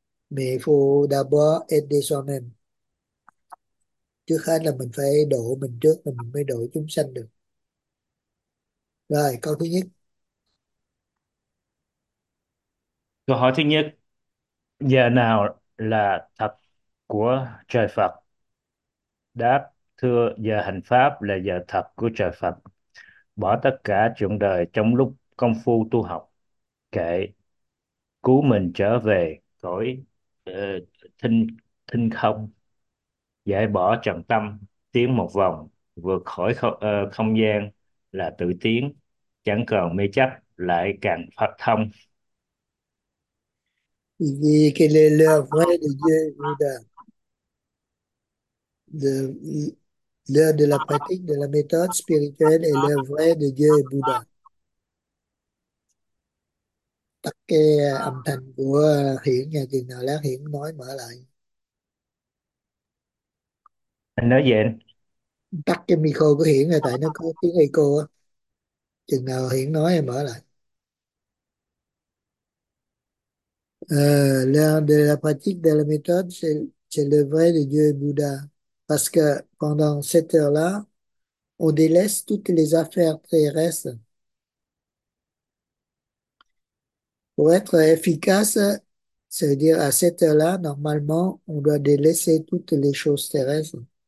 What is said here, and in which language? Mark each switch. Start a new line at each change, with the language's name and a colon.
French: Mais il faut d'abord aider soi-même.
Vietnamese: Trước hết là mình phải độ mình trước, rồi mình mới độ chúng sanh được. Rồi, câu thứ nhất. Câu hỏi thứ nhất, giờ nào là thật của trời Phật? Đáp, thưa, giờ hành pháp là giờ thật của trời Phật. Bỏ tất cả chuyện đời trong lúc công phu tu học, kệ, cứu mình trở về cõi thinh thinh không, giải bỏ trần tâm, tiến một vòng, vượt khỏi không gian là tự tiến, chẳng còn mê chấp, lại càng Phật thông.
French: Il dit quelle est l'heure vraie de Dieu et Bouddha. L'heure de la pratique de la méthode spirituelle est l'heure vraie de Dieu et Bouddha.
Vietnamese: Tắt cái âm thanh của Hiển nha, chừng nào lát Hiển nói mở lại. Anh nói gì anh? Tắt cái micro của Hiển này tại nó có tiếng echo á. Chừng nào Hiển nói em mở lại.
French: L'heure de la pratique de la méthode, c'est le vrai de Dieu et Bouddha. Parce que pendant cette heure-là, on délaisse toutes les affaires terrestres. Pour être efficace, c'est-à-dire à cette heure-là, normalement, on doit délaisser toutes les choses terrestres.